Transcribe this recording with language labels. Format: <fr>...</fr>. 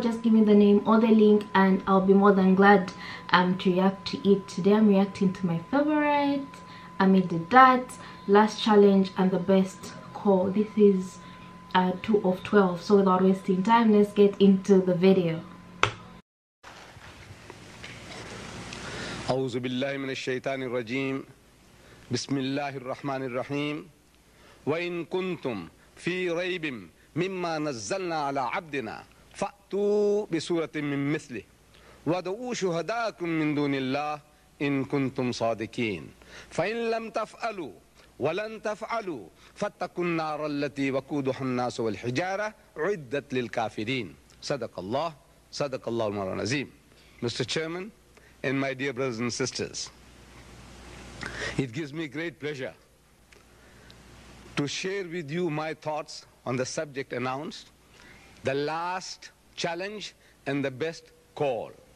<en>Just give me the name or the link and I'll be more than glad to react to it. Today I'm reacting to my favorite Ahmed Deedat, last challenge and the best call. This is 2 of 12, so without wasting time, let's get into the video.</en> <ar>أعوذ بالله من الشيطان الرجيم بسم الله الرحمن الرحيم وإن كنتم في ريب مما نزلنا على عبدنا فأتوا بسورة من مثله ودعوا شهداءكم من دون الله إن كنتم صادقين فإن لم تفعلوا ولن تفعلوا فاتقوا النار التي وقودها الناس والحجارة عدت للكافرين صدق الله المولى العظيم Mr.</ar> <en>Chairman, and my dear brothers and sisters, it gives me great pleasure to share with you my thoughts on the subject announced, the last challenge and the best call.</en>